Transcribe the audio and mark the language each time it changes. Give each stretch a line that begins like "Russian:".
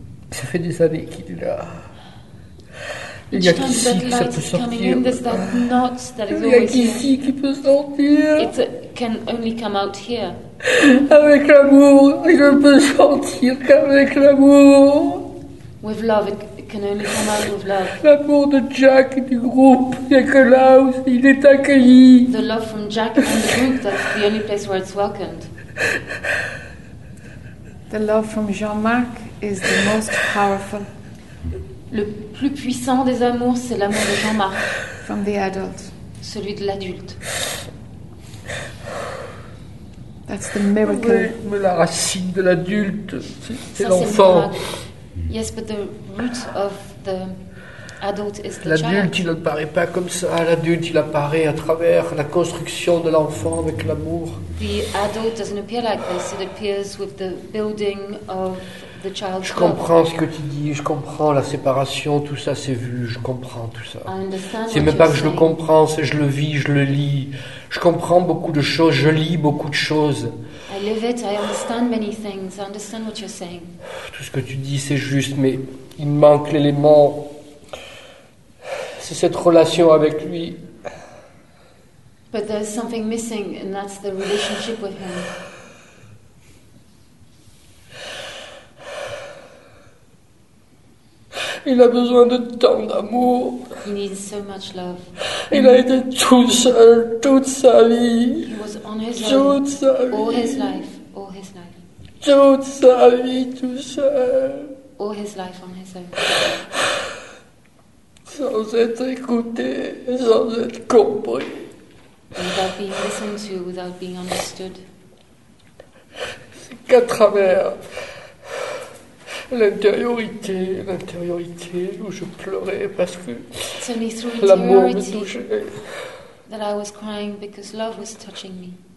French: Ça fait des années qu'il est là. Il y a qu'ici que ça peut sortir. Il y a qu'ici qui peut sortir.
English: It can only come out here.
French: Avec l'amour, il ne peut sortir qu'avec l'amour.
English: With love, it can only come out with love.
French: L'amour de Jack et du groupe, il n'y a que là où il est accueilli.
English: The love from Jack and the group, that's the only place where it's welcomed. The love from Jean-Marc is the most powerful.
French: Le plus puissant des amours, c'est l'amour de Jean-Marc.
English: From the adult.
French: Celui de l'adulte.
English: That's the miracle.
French: Oui, mais la racine de l'adulte, c'est l'enfant.
English: Yes, but the root of the adult is the child.
French: L'adulte, il n'apparaît pas comme ça. L'adulte, il apparaît à travers la construction de l'enfant avec l'amour.
English: The adult doesn't appear like this. It appears with the building of the child's love.
French: Je comprends ce que tu dis. Je comprends la séparation. Tout ça, c'est vu. Je comprends tout ça. C'est même pas que je le comprends. C'est je le vis, je le lis. Je comprends beaucoup de choses. Je lis beaucoup de choses.
English: I live it, I understand many things, I understand what you're saying.
French: Tout ce que tu dis, c'est juste, mais il manque l'élément. C'est cette relation avec lui.
English: But there's something missing, and that's the relationship with him.
French: Il a besoin de tant d'amour.
English: He needs so much love.
French: Il a été tout seul toute sa vie.
English: He was on his
French: toute
English: own.
French: Sa vie.
English: All his life.
French: Toute sa vie tout seul.
English: All his life on his own.
French: Sans être écouté, sans être compris.
English: Without being listened to, without being understood.
French: Qu'à travers. L'intériorité où je pleurais parce que l'amour me touchait.
English: That I was crying because love was touching me.